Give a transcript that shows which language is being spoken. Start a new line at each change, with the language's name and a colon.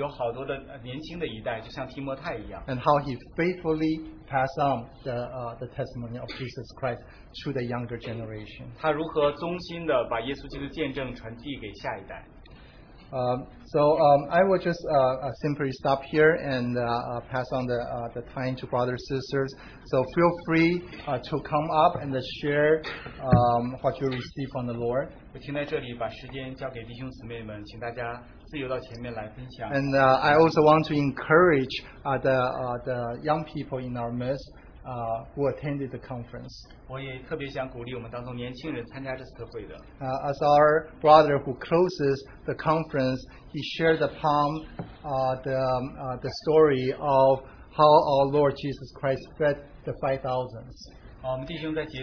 Chinese: 然后使徒保罗如何他在身边有好多的年轻的一代，就像提摩太一样。
English: And how he faithfully passed on the testimony of Jesus Christ to the younger generation.
Chinese: 他如何忠心的把耶稣基督的见证传递给下一代。
English: I will just simply stop here and pass on the time to brothers and sisters. So feel free to come up and share what you receive from the Lord.
Chinese: 我停在这里，把时间交给弟兄姊妹们，请大家自由到前面来分享。
English: And I also want to encourage the young people in our midst who attended the conference.
Chinese: 我也特别想鼓励我们当中年轻人参加这次会的。
English: As our brother who closes the conference, he shared upon the story of how our Lord Jesus Christ fed the 5,000.